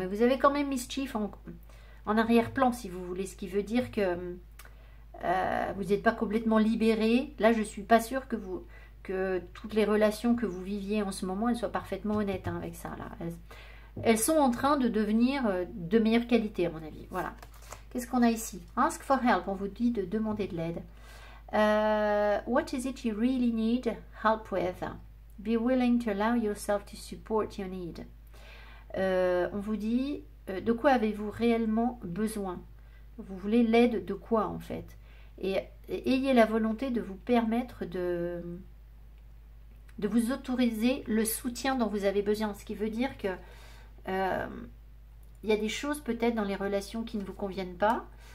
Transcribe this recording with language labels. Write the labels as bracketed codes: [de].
[fr] Mais vous avez quand même Mischief en arrière-plan si vous voulez, ce qui veut dire que vous n'êtes pas complètement libéré. Là, je ne suis pas sûre que vous. Que toutes les relations que vous viviez en ce moment, elles soient parfaitement honnêtes hein, avec ça, là. Elles sont en train de devenir de meilleure qualité, à mon avis. Voilà. Qu'est-ce qu'on a ici? [en] Ask for help. [fr] On vous dit de demander de l'aide. [en] What is it you really need help with? Be willing to allow yourself to support your need. [fr] On vous dit de quoi avez-vous réellement besoin? Vous voulez l'aide de quoi, en fait? Et ayez la volonté de vous permettre de vous autoriser le soutien dont vous avez besoin. Ce qui veut dire que il y a des choses peut-être dans les relations qui ne vous conviennent pas.